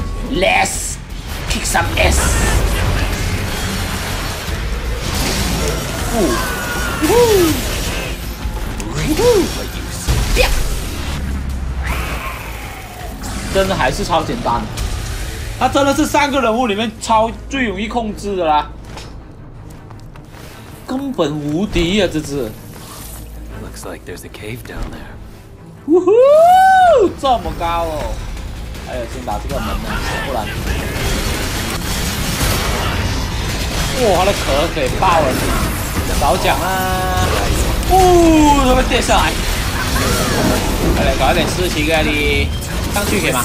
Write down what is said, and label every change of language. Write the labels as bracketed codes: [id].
[en] Let's kick some ass！ 呜呜呜！啪！ [zh] 真的还是超简单，它真的是三个人物里面超最容易控制的啦。根本无敌啊，这只。 [en] Looks like there's a cave down there. [zh] 呜呼，这么高哦！哎呀，先打这个门呢，不然。哇，他的壳给爆了你！早讲啊！呜，他们掉下来。快点，搞一点事情啊你！上去可以吗？